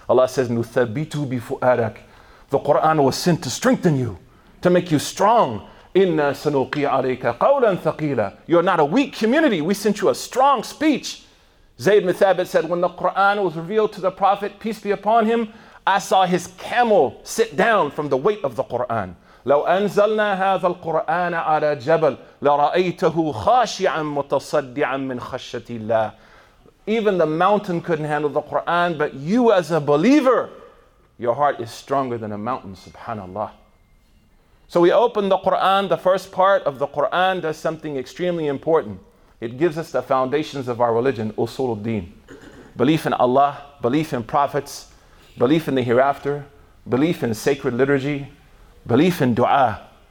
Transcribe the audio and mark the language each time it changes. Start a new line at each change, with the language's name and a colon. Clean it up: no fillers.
English: Allah says,
Arabic: "Nuthabitu bifu'adak."
English: The Quran was sent to strengthen you, to make you strong.
Arabic: Inna sanuqi alayka qawlan thaqila.
English: You're not a weak community. We sent you a strong speech. Zayd bin Thabit said, when the Quran was revealed to the Prophet, peace be upon him, I saw his camel sit down from the weight of the Quran.
Arabic: لو أنزلنا هذا القرآن على جبل لرأيته خاشعا متصدعا من خشية الله.
English: Even the mountain couldn't handle the Quran, but you as a believer, your heart is stronger than a mountain, subhanAllah. So we open the Quran. The first part of the Quran does something extremely important. It gives us the foundations of our religion, usul al-din. Belief in Allah, belief in prophets, belief in the hereafter, belief in sacred liturgy, belief in dua.